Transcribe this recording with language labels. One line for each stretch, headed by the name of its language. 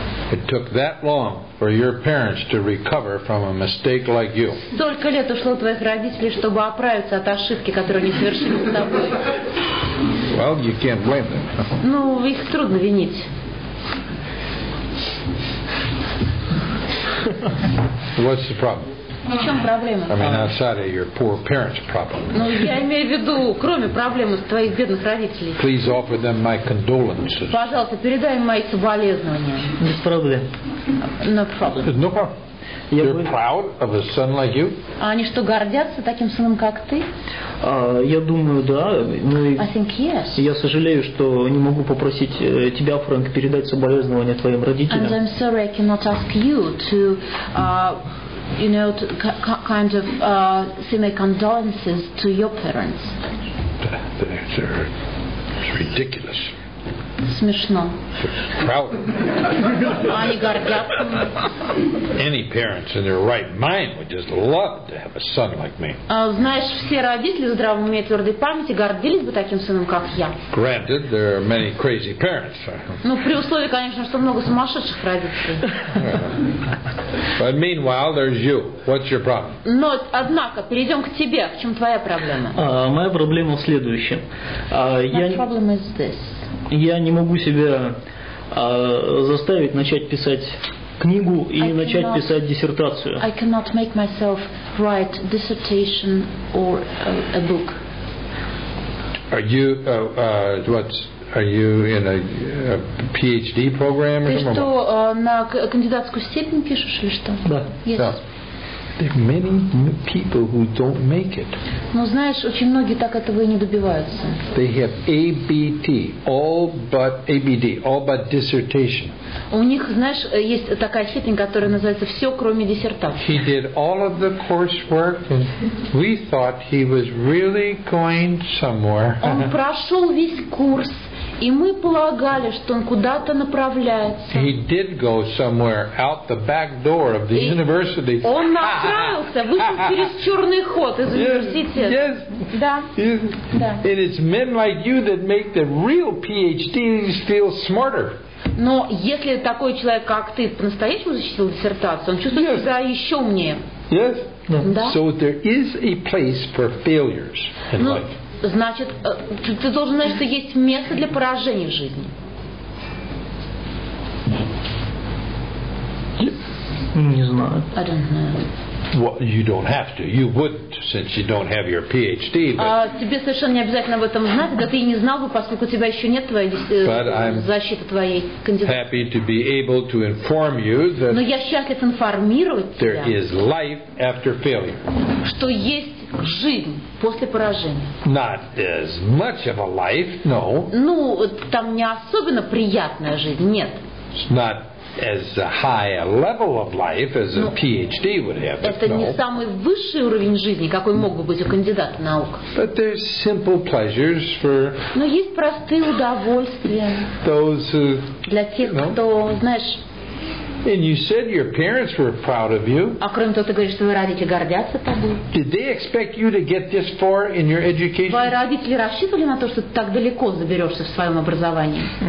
English: It took that long for your parents to recover from a mistake like you.
Russian: Столько лет ушло твоих родителей, чтобы оправиться от ошибки, которую они совершили с тобой.
English: Well, you can't blame them.
Russian: Ну, их трудно винить.
English: What's the problem?
Russian: В чем проблема?
English: I mean, outside of your poor parents' problem.
Russian: Ну, я имею в виду, кроме проблемы с твоих бедных родителей.
English: Please offer them my condolences.
Russian: Пожалуйста, передай им мои соболезнования. Без проблем.
English: No problem. No problem. You're proud of a son like you?
Russian: А они что, гордятся таким сыном, как ты? Я думаю, да. Ну,
English: I think yes.
Russian: Я сожалею, что не могу попросить тебя, Фрэнк, передать соболезнования твоим родителям.
English: And I'm sorry I cannot ask you to... You know, send my condolences to your parents. It's ridiculous.
Russian: Смешно.
English: Proud.
Russian: Они гордятся.
English: Any parents in their right mind would just love to have a son like me.
Russian: Знаешь, все родители здравого ума и твердой памяти гордились бы таким сыном, как я.
English: Granted, there are many crazy parents.
Russian: Ну, при условии, конечно, что много сумасшедших родителей.
English: But meanwhile, there's you. What's your problem?
Russian: Но, однако, перейдем к тебе. В чем твоя проблема? Моя проблема в следующем.
English: My problem is this.
Russian: Я не могу себя заставить начать писать книгу и начать писать диссертацию.
English: I cannot make myself write dissertation or a book. Are you are you in a PhD program or something?
Russian: Ты что, на кандидатскую степень пишешь или что? Да.
English: Yes.
Russian: Да.
English: There are many people who don't make it.
Russian: Ну, знаешь, очень многие так этого и не добиваются.
English: They have ABD, all but dissertation.
Russian: У них, знаешь, есть такая степень, которая называется «Все, кроме диссертации».
English: He did all of the coursework, and we thought he was really going somewhere.
Russian: Он прошел весь курс, и мы полагали, что он куда-то направляется.
English: He did go somewhere out the back door of the university.
Russian: Он направился, вышел через черный ход из университета.
English: Yes. Yes.
Russian: Да.
English: Yes.
Russian: Да.
English: And it's men like you that make the real PhDs feel smarter.
Russian: Но если такой человек, как ты, по-настоящему защитил диссертацию, он чувствует
English: yes.
Russian: себя еще умнее.
English: Yes.
Russian: Да.
English: So there is a place for failures in life.
Russian: Значит, ты должен знать, что есть место для поражений в жизни. Не знаю.
English: I don't know. Well, you don't have to. You wouldn't, since you don't have your PhD.
Russian: Тебе совершенно не обязательно об этом знать, да ты и не знал бы, поскольку у тебя еще нет защиты твоей кандидатуры.
English: Happy to be able to inform you that.
Russian: Но я счастлив информировать тебя.
English: There is life after failure.
Russian: Что есть жизнь после поражения.
English: Not as much of a life, no.
Russian: Ну, там не особенно приятная жизнь, нет.
English: Not as high a level of life as a PhD would have.
Russian: Это не самый высший уровень жизни, какой мог бы быть у кандидата наук.
English: But there's simple pleasures for.
Russian: Но есть простые удовольствия.
English: Those who.
Russian: Для тех, кто, знаешь.
English: And you said your parents were proud of you.
Russian: А кроме того, ты говоришь, что твои родители гордятся тобой.
English: Did they expect you to get this far in your education?
Russian: Твои родители рассчитывали на то, что ты так далеко заберешься в своем образовании?